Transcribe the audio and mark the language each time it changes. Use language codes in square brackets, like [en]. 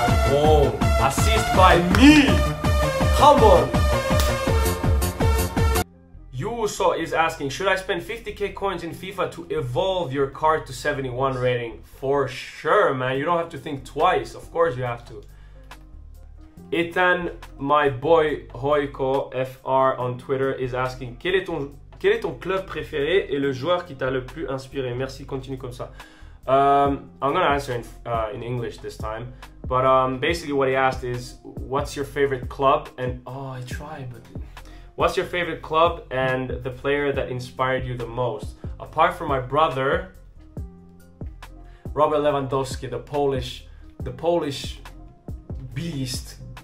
[en] Goal! Assist by me! Come on! Yuso is asking, should I spend 50k coins in FIFA to evolve your card to 71 rating? For sure, man. You don't have to think twice. Of course you have to. Ethan, my boy Hoiko FR on Twitter, is asking, [fr] quel est ton club préféré et le joueur qui t'a le plus inspiré? Merci, continue comme ça. [en] I'm gonna answer in English this time. But basically what he asked is, what's your favorite club? And oh, I tried, but what's your favorite club and the player that inspired you the most? Apart from my brother, Robert Lewandowski, the Polish beast.